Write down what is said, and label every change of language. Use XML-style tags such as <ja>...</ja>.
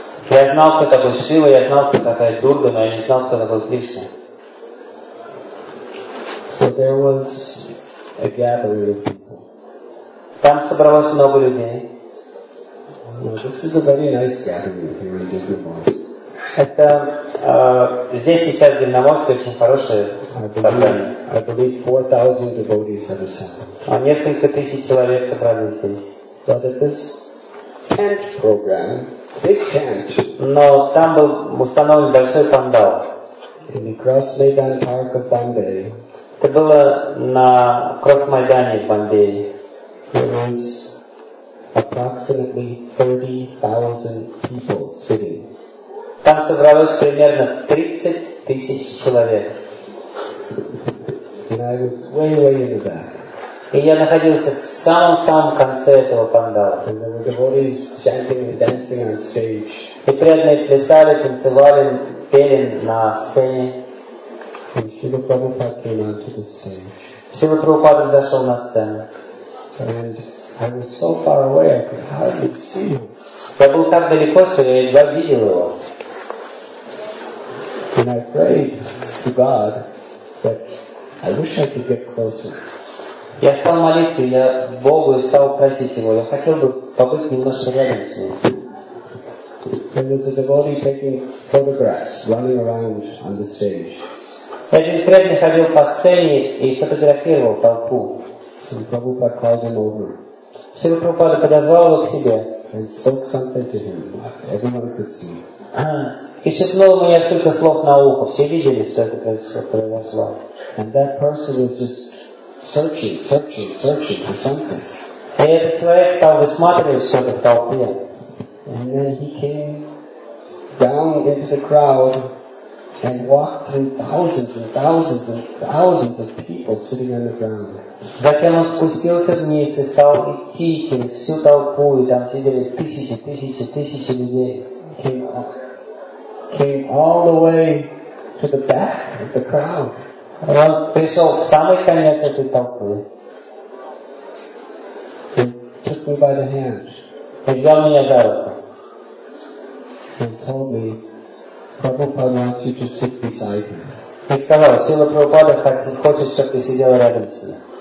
<ru>Я знал, кто такой Шива, я знал, кто такая Дурга, но я не знал, кто такой Кришна.</ru> <en>So there was a gathering of people.</en> <ru>Там собралось много людей.</ru> <en>Well, this is a very nice gathering here in Dindavan.</en> <ru>Это здесь сейчас в Дивномосте очень хорошее собрание.</ru> <en>I believe 4,000 devotees have assembled.</en> <ru>А несколько тысяч человек собрались здесь.</ru> <en>But at this tent program, big tent.</en> <ru>Но там был установлен большой пандал.</ru> <en>In the Cross Maidan Park of Bombay.</en> <ru>Это было на Кросс Майдане в Бомбее.</ru> <en>There was approximately 30,000 people sitting.</en> <ru>Там собралось примерно 30,000 человек.</ru> <en>And I was way, way in the back.</en> <ru>И я находился в самом-самом конце этого пандала. И преданные плясали, танцевали, пели на сцене. Шрила Прабхупада взошел на сцену.</ru> <en>And I was so far away, I could hardly see him.</en> <ru>Я был так далеко, что я едва видел его.</ru> <en>And I prayed to God that I wish I could get closer.</en> <ru>Я стал молиться, я Богу стал просить Его. Я хотел бы побыть немножко рядом с Ним.</ru> <en>There was a devotee taking photographs, running around on the stage.</en> <ru>Один преданный ходил по сцене и фотографировал толпу.</ru> <en>Шрила Прабхупада called him over.</en> <ru>Шрила Прабхупада подозвал его к себе.</ru> <en>And spoke something to him. Everyone could see.</en> <ru>И шепнул ему несколько слов на ухо. Все видели, что это произошло.</ru> <en>And that person was just searching, searching, searching for something.</en> <ru>И этот человек стал высматривать что-то в толпе.</ru> <en>And then he came down into the crowd and walked through thousands and thousands and thousands of people sitting on the ground.</en> <ru>Затем он спустился вниз и стал идти через всю толпу, и там сидели тысячи, тысячи, тысячи людей.</ru> <en>Came all the way to the back of the crowd.</en> <ru>И он пришел в самый конец этой толпы.</ru> <en>He took me by the hand.</en> <ru>И взял меня за руку.</ru> <en>And told me, Prabhupada wants you to sit beside him.</en> <ru>И сказал, Шрила Прабхупада хочет, чтобы ты сидел рядом с ним.</ru>